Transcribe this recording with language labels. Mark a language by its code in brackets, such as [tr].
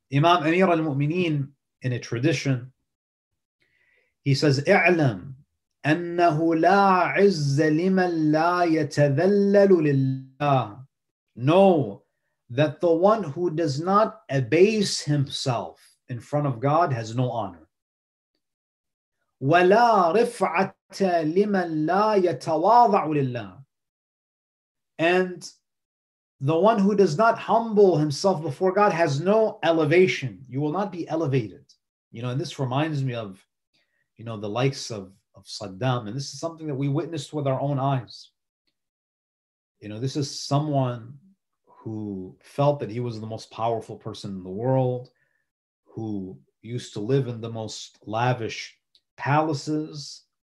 [en] Imam Amir al-Mu'mineen, in a tradition, he says, [ar] اعلم أنه لا عز لمن لا يتذلل لله. [en] Know that the one who does not abase himself in front of God has no honor. [ar] ولا رفعة لمن لا يتواضع لله. [en] And the one who does not humble himself before God has no elevation. You will not be elevated. You know, and this reminds me of, you know, the likes of Saddam. And this is something that we witnessed with our own eyes. You know, this is someone who felt that he was the most powerful person in the world, who used to live in the most lavish palaces.